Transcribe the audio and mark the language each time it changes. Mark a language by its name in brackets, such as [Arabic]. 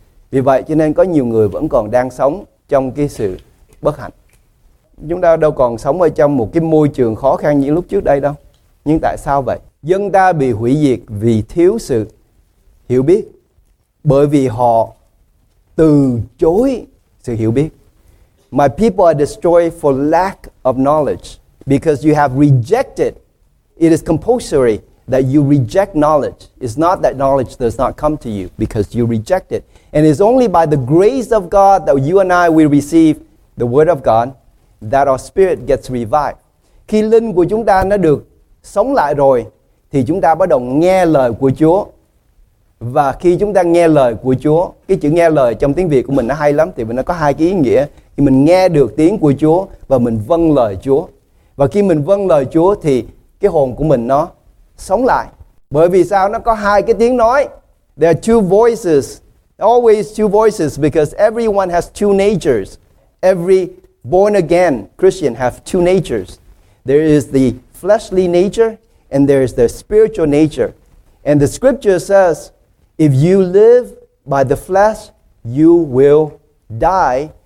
[Vietnamese] Vì vậy cho nên có nhiều người vẫn còn đang sống trong cái sự bất hạnh. Chúng ta đâu còn sống ở trong một cái môi trường khó khăn như lúc trước đây đâu. Nhưng tại sao vậy? Dân ta bị hủy diệt vì thiếu sự hiểu biết. Bởi vì họ từ chối sự hiểu biết. [English] My people are destroyed for lack of knowledge. Because you have rejected, it is compulsory that you reject knowledge. It's not that knowledge does not come to you, because you reject it. And it's only by the grace of God that you and I will receive the word of God, that our spirit gets revived. [Vietnamese] Khi linh của chúng ta nó được sống lại rồi, thì chúng ta bắt đầu nghe lời của Chúa. Và khi chúng ta nghe lời của Chúa, cái chữ nghe lời trong tiếng Việt của mình nó hay lắm, thì nó có hai cái ý nghĩa. Thì mình nghe được tiếng của Chúa và mình vâng lời Chúa. Và khi mình vâng lời Chúa thì cái hồn của mình nó sống lại. Bởi vì sao? Nó có hai cái tiếng nói. [English] There are two voices. Always two voices, because everyone has two natures. Every born again Christian have two natures. There is the fleshly nature and there is the spiritual nature. And the scripture says, if you live by the flesh, you will die.